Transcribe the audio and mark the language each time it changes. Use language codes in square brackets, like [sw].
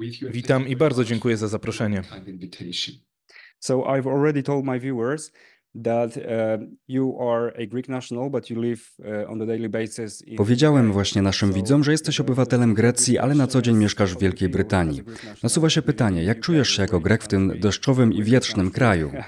[pl] Witam i bardzo dziękuję za zaproszenie. [en] So I've already told my viewers that you are a Greek national, but you live on a daily basis in... [pl] Powiedziałem właśnie naszym widzom, że jesteś obywatelem Grecji, ale na co dzień mieszkasz w Wielkiej Brytanii. Nasuwa się pytanie, jak czujesz się jako Grek w tym deszczowym i wietrznym kraju?